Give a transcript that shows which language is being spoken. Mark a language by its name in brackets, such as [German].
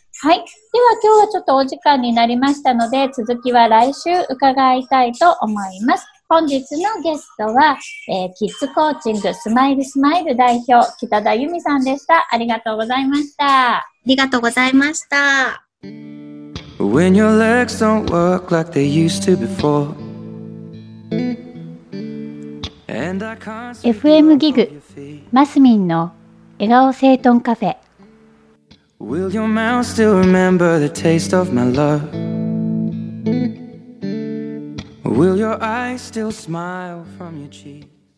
[Japanese] はい、では、今日はちょっとお時間になりましたので、続きは来週伺いたいと思います。本日のゲストは、キッズコーチングスマイルスマイル代表、北田由美さんでした。ありがとうございました。ありがとうございました。 [English] When your legs don't work like they used to before. And I can't see your feet. [Japanese] FM ギグ、マスミンの笑顔整頓カフェ。 [English] Will your mouth still remember the taste of my love? Will your eyes still smile from your cheek?